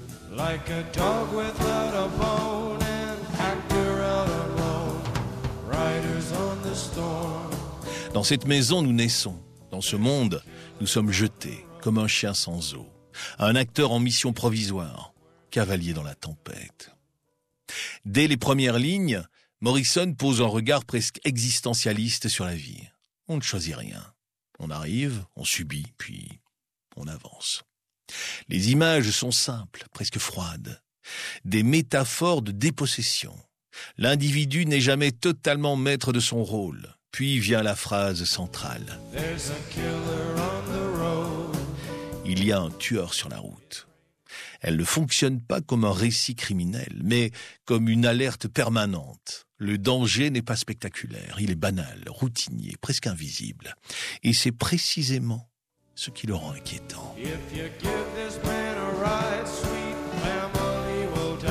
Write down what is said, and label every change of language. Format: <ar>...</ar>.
<en>Like a dog without a bone, an actor out alone, riders on the storm.</en> <fr>Dans cette maison, nous naissons. Dans ce monde, nous sommes jetés, comme un chien sans eau. Un acteur en mission provisoire, cavalier dans la tempête. Dès les premières lignes, Morrison pose un regard presque existentialiste sur la vie. On ne choisit rien. On arrive, on subit, puis on avance. Les images sont simples, presque froides. Des métaphores de dépossession. L'individu n'est jamais totalement maître de son rôle. Puis vient la phrase centrale.</fr> <en>There's a killer on the road.</en> <fr>Il y a un tueur sur la route. Elle ne fonctionne pas comme un récit criminel, mais comme une alerte permanente. Le danger n'est pas spectaculaire, il est banal, routinier, presque invisible. Et c'est précisément ce qui le rend inquiétant.</fr> <en>If you give this man a ride, sweet family will...</en>